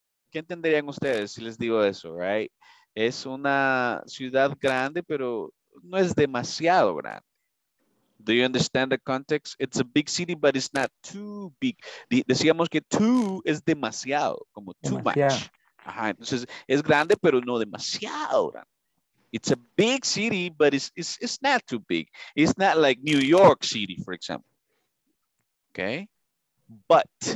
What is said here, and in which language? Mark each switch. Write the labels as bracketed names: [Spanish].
[Spanish] ¿Qué entenderían ustedes si les digo eso, right? Es una ciudad grande, pero no es demasiado grande. [English] Do you understand the context? It's a big city, but it's not too big. [Spanish] Decíamos que too es demasiado, como too demasiado. Much. Ajá, entonces, es grande, pero no demasiado grande. [English] It's a big city, but it's not too big. It's not like New York City, for example. Okay, but